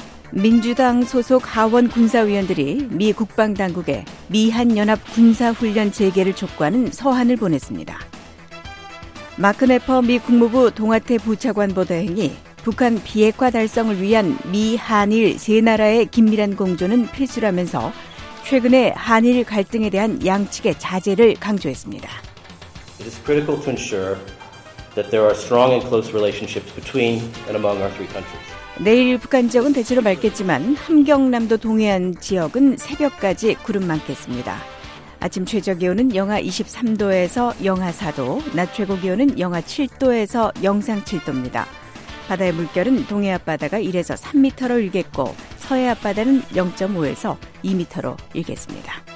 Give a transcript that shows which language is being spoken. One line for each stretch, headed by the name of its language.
Korean: 민주당 소속 하원 군사위원들이 미 국방당국에 미한연합 군사훈련 재개를 촉구하는 서한을 보냈습니다. 마크 네퍼 미 국무부 동아태 부차관 보도행위, 북한 비핵화 달성을 위한 미, 한일 세 나라의 긴밀한 공조는 필수라면서 최근에 한일 갈등에 대한 양측의 자제를 강조했습니다.
English: It is critical to ensure that there are strong and close relationships between and among our three countries.
Korean: 내일 북한 지역은 대체로 맑겠지만 함경남도 동해안 지역은 새벽까지 구름 많겠습니다. 아침 최저기온은 영하 23도에서 영하 4도, 낮 최고기온은 영하 7도에서 영상 7도입니다. 바다의 물결은 동해 앞바다가 1에서 3미터로 일겠고 서해 앞바다는 0.5에서 2미터로 일겠습니다.